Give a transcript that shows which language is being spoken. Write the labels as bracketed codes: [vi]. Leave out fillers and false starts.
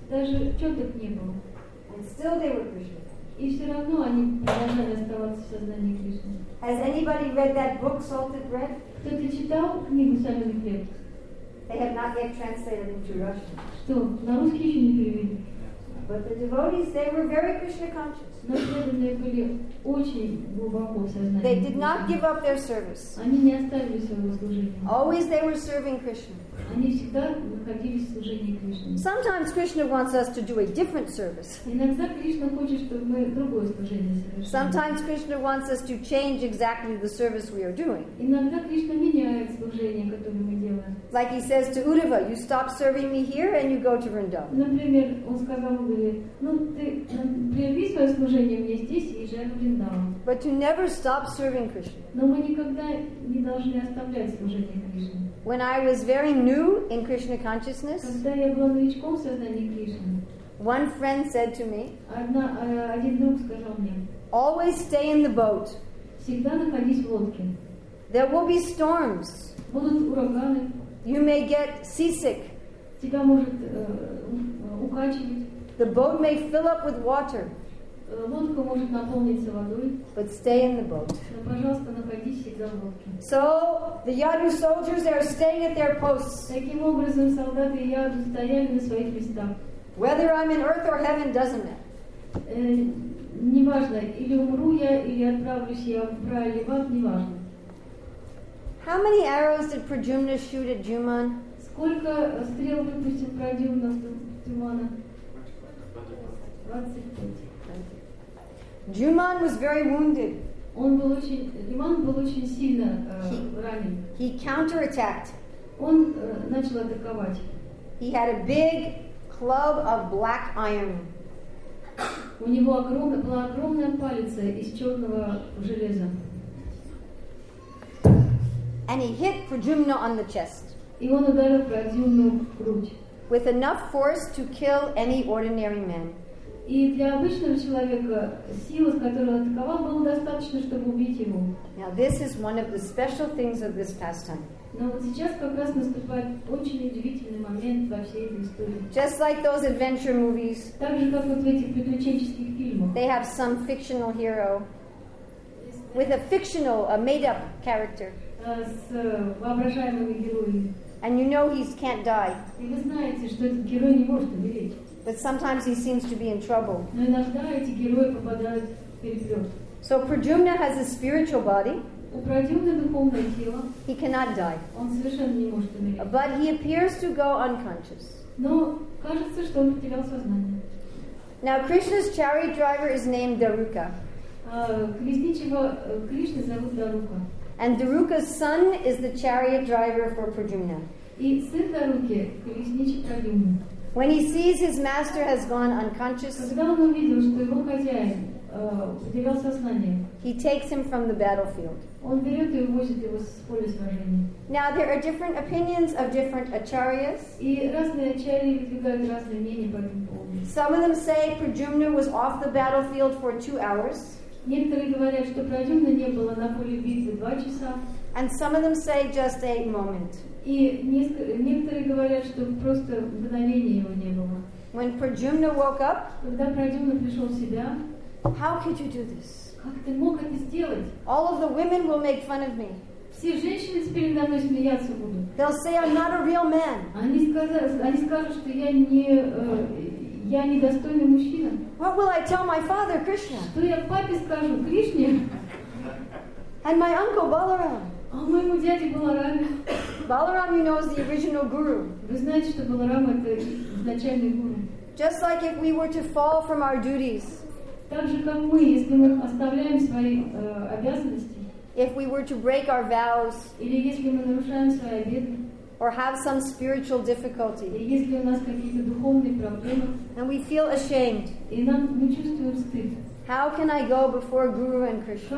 [ru] Даже четок не было. [en] And still they were Krishna. [ru] И все равно они продолжали оставаться в сознании Кришны. [en] Has anybody read that book, Salted Bread? [ru] Кто-то читал книгу «Соленый хлеб»? [en] They have not yet translated into Russian. [ru] Что, на русский еще не перевели? [en] But the devotees, they were very Krishna conscious. [ru] Но преданные были очень глубоко в сознании. [en] They did not give up their service. [ru] Они не оставили своего служения. [en] Always they were serving Krishna. [ru] Они всегда находились в служении Кришне. [en] Sometimes Krishna wants us to do a different service. [ru] Иногда Кришна хочет, чтобы мы другое служение совершили. [en] Sometimes Krishna wants us to change exactly the service we are doing. [ru] Иногда Кришна меняет служение, которое мы делаем. [en] Like he says to Uddhava, you stop serving me here and you go to Vrindavan. [ru] Например, он сказал Удаве, ну ты прерви свое служение мне здесь и езжай в Вриндаван. [en] But to never stop serving Krishna. [ru] Но мы никогда не должны оставлять служение Кришне. [en] When I was very new in Krishna consciousness, [ru] когда я была новичком в сознании Кришны, [en] one friend said to me, [ru] один друг сказал мне, [en] always stay in the boat. [ru] Всегда находись в лодке. [en] There will be storms. [ru] Будут ураганы. [en] You may get seasick. [ru] Тебя может укачивать. [en] The boat may fill up with water. [ru] Лодка может наполниться водой. [en] But stay in the boat. [ru] Но, пожалуйста, находись всегда в лодке. [en] So the Yadu soldiers are staying at their posts. [ru] Таким образом, солдаты Яду стояли на своих местах. [en] Whether I'm in earth or heaven doesn't matter. [ru] Неважно, или умру я, или отправлюсь я в рай или в ад, неважно. [en] How many arrows did Prajumna shoot at Juman? [ru] Сколько стрел выпустил Прадюмна в Тюмана? [en] 25. Juman was very wounded. [ru] Juman был очень сильно ранен. [en] He counterattacked. [ru] Он начал атаковать. [en] He had a big club of black iron. [ru] У него была огромная палица из черного железа. [en] And he hit Prajumna on the chest. [ru] И он ударил Прадюмну в грудь. [en] With enough force to kill any ordinary man. [ru] И для обычного человека сила, с которой он атаковал, было достаточно, чтобы убить его. [en] Now this is one of the special things of this pastime. [ru] Но вот сейчас как раз наступает очень удивительный момент во всей этой истории. [en] Just like those adventure movies. [ru] Так же, как вот в этих приключенческих фильмах. [en] They have some fictional hero with a fictional, a made-up character. [ru] С воображаемыми героями. [en] And you know he can't die. [ru] И вы знаете, что этот герой не может умереть. [en] But sometimes he seems to be in trouble. [ru] Но иногда эти герои попадают в переплет. [en] So Prajumna has a spiritual body. [ru] У Прадюмны духовное тело. [en] He cannot die. [ru] Он совершенно не может умереть. [en] But he appears to go unconscious. [ru] Но кажется, что он потерял сознание. [en] Now Krishna's chariot driver is named Daruka. [ru] Кришны зовут Дарука. [en] And Daruka's son is the chariot driver for Prajumna. [ru] И сын Даруки – колесничий Прадюмны. [en] When he sees his master has gone unconscious, [ru] когда он увидел, что его хозяин потерял сознание, [en] he takes him from the battlefield. [ru] Он берет и увозит его с поля сражения. [en] Now there are different opinions of different acharyas. [ru] И разные ачарьи выдвигают разные мнения по этому поводу. [en] Some of them say Prajumna was off the battlefield for 2 hours. [ru] Некоторые говорят, что Прадюмна не было на поле битвы 2 часа. [en] And some of them say just a moment. [ru] И некоторые говорят, что просто мгновения его не было. [en] When Prajumna woke up, [ru] когда Прадюмна пришел в себя, [en] how could you do this? [ru] Как ты мог это сделать? [en] All of the women will make fun of me. [ru] Все женщины теперь надо мной смеяться будут. [en] They'll say I'm not a real man. [ru] Они скажут, что я недостойный мужчина. [en] What will I tell my father, Krishna? [ru] Что я папе скажу, Кришне? [en] And my uncle Balaram. [ru] А моему дяде Баларами. [en] Balarama, you know, is the original guru. [ru] Вы знаете, что Баларама это изначальный гуру. [en] Just like if we were to fall from our duties. [ru] Так же как мы, если мы оставляем свои обязанности. [en] If we were to break our vows. [ru] Или если мы нарушаем свои обеты. [en] Or have some spiritual difficulty. [ru] И если у нас какие-то духовные проблемы. [en] And we feel ashamed. [ru] И нам мы чувствуем стыд. [en] How can I go before Guru and Krishna?